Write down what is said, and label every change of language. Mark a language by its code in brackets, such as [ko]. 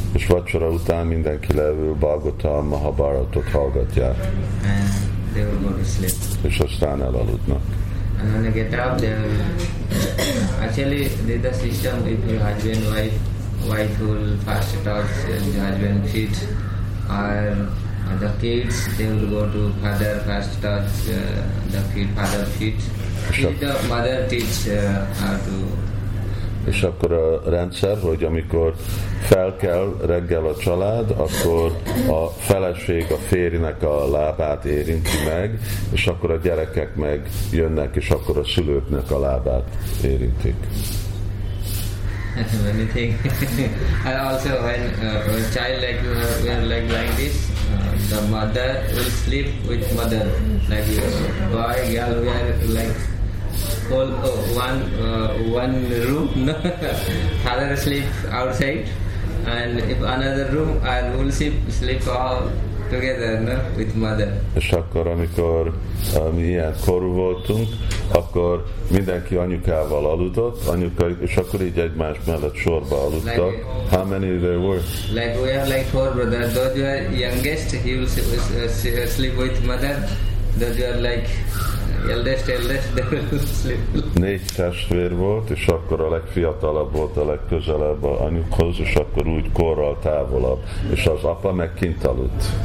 [hu] És vacsora után mindenki leül Bhagavatam Mahabharatot hallgatják. [en] And they will go to sleep. [hu] És aztán elaludnak. [en] And when they get up, they will actually did the system with your husband, wife. Wife will fast touch and the husband feet, or the kids, they will go to father fast touch the feet, father feet. The mother teach how to. [hu] És akkor a rendszer, hogy amikor fel kell reggel a család, akkor a feleség a férjnek a lábát érinti meg, és akkor a gyerekek meg jönnek, és akkor a szülőknek a lábát érintik. [en] When you think, and also when child like lying this, the mother will sleep with mother, like boy, girl, we are like whole one room, father sleep outside, and if another room, I will sleep all together, no? [hu] És akkor, amikor mi ilyen korú voltunk, akkor mindenki anyukával aludott, anyuka, és akkor így egymás mellett sorba aludtak. [en] Like, how many there were? Like, we are like four brothers. Those who are youngest, he will sleep with mother. Those who are like eldest, they will sleep. [hu] Négy testvér volt, és akkor a legfiatalabb volt a legközelebb a anyukhoz, és akkor úgy korral távolabb, és az apa meg kint aludt.